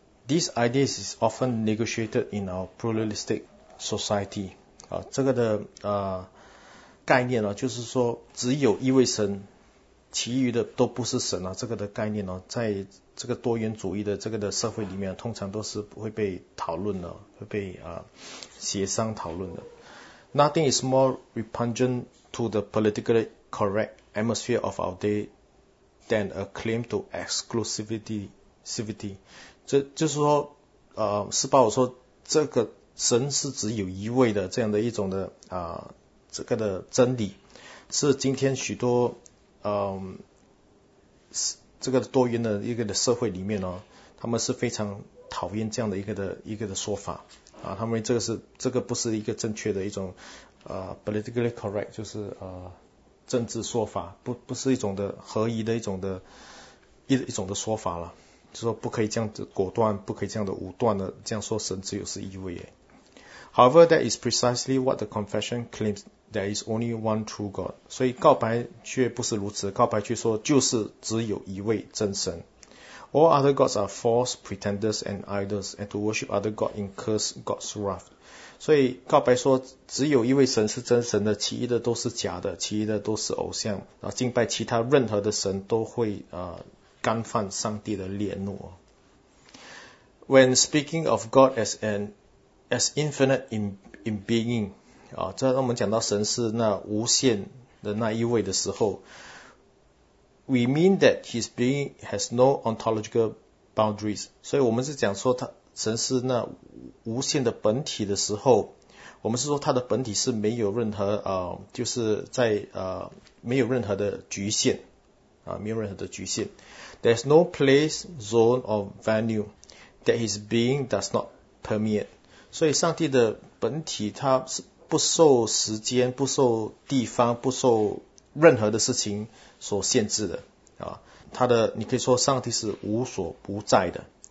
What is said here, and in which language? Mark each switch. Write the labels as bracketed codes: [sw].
[en] These ideas is often negotiated in our pluralistic society. [zh] 这个的概念就是说只有一位神，其余的都不是神这个的概念在这个多元主义的这个的社会里面，通常都是会被讨论的，会被协商讨论的。 [en] Nothing is more repugnant to the politically correct atmosphere of our day than a claim to exclusivity. [zh] 这就是说是把我说这个神是只有一位的这样的一种的这个的真理，是今天许多这个多元的一个的社会里面他们是非常讨厌这样的一个的说法他们这个不是一个正确的一种 [en] politically correct， [zh] 就是政治说法，不是一种的合一的一种的说法了。就说不可以这样子果断，不可以这样的武断的这样说神只有是一位。 [en] However, that is precisely what the confession claims. There is only one true God. [zh] 所以告白却不是如此，告白却说就是只有一位真神。 [en] All other gods are false pretenders and idols, and to worship other gods incurs God's wrath. [zh] 所以告白说只有一位神是真神的，其余的都是假的，其余的都是偶像，然后敬拜其他任何的神都会干犯上帝的烈怒。 [en] When speaking of God as infinite in being， [zh] 这让我们讲到神是那无限的那一位的时候 [en] ，we mean that his being has no ontological boundaries。 [zh] 所以我们是讲说他神是那无限的本体的时候，我们是说他的本体是没有任何就是在没有任何的局限。没有任何的局限。 [en] There's no place, zone, or venue that his being does not permeate. [zh] 所以上帝的本体他是不受时间，不受地方，不受任何的事情所限制的。他的，你可以说上帝是无所不在的。